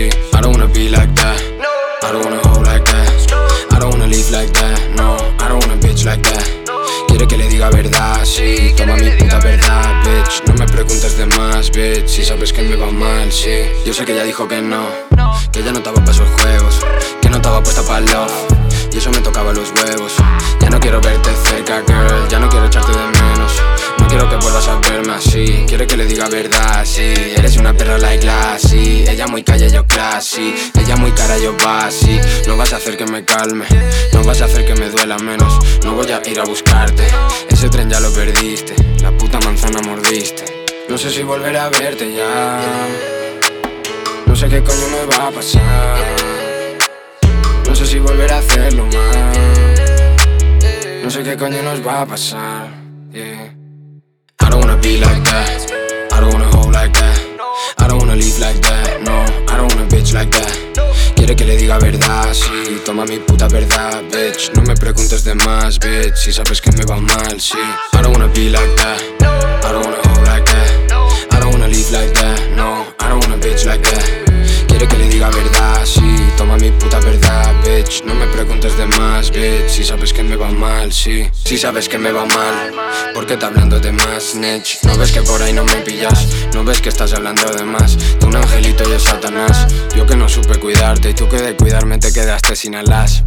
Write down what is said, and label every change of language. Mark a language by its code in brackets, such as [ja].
[en] I don't wanna be like that. I don't wanna hoe like that. I don't wanna live like that. No, I don't wanna bitch like that. [es] Quiere que le diga verdad, sí. Toma mi puta verdad, bitch. No me preguntes de más, bitch. Si sabes que me va mal, sí. Yo sé que ella dijo que no. Que ella no estaba pa' esos juegos. Que no estaba puesta pa' love. Y eso me tocaba los huevos. Ya no quiero verte cerca, girl. Ya no quiero echarte de menos. No quiero que vuelvas a verme así. Quiere que le diga verdad, sí. Eres una perra [en] like classy. [es] Ella muy calle, yo classy. Ella muy cara, yo bassy. No vas a hacer que me calme. No vas a hacer que me duela menos. No voy a ir a buscarte. Ese tren ya lo perdiste. La puta manzana mordiste. No sé si volveré a verte ya. No sé qué coño me va a pasar. No sé si volver a hacerlo más. No sé qué coño nos va a pasar, yeah. [en] I don't wanna be like that. I don't wanna hoe like that. I don't wanna live like that. No, I don't wanna bitch like that. [es] Quiere que le diga verdad, sí. Toma mi puta verdad, bitch. No me preguntes de más, bitch. Si sabes que me va mal, sí. [en] I don't wanna be like that. I don't wanna hoe like that. I don't wanna live like that. No, I don't wanna bitch like that. [es] Quiere que le diga verdad, sí. Toma mi puta verdad, bitch. No me preguntes de más, bitch. Si sabes que me va mal, sí. Si sabes que me va mal. ¿Por qué está hablando de más, snitch? ¿No ves que por ahí no me pillas? ¿No ves que estás hablando de más? De un angelito y de Satanás. Yo que no supe cuidarte. Y tú que de cuidarme te quedaste sin alas.